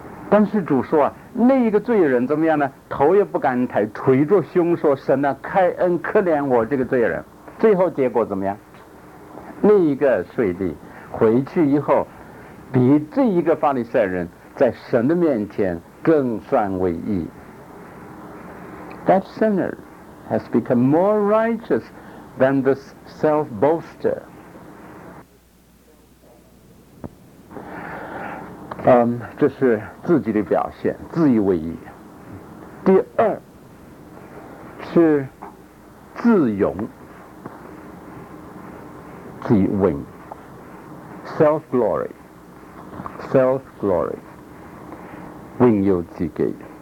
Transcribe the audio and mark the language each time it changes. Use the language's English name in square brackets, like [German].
[Chinese] 但是主说啊，那一个罪人怎么样呢？头也不敢抬，垂着胸说：“神啊，开恩，可怜我这个罪人。” 最后结果怎么样？那一个税吏回去以后，比这一个法利赛人在神的面前更算为义。 [English] That sinner has become more righteous than this self-boaster. [Chinese] 这是自己的表现，自以为意。第二是自勇，自勇 [English] self-glory, self-glory, [Chinese] 勇有自己。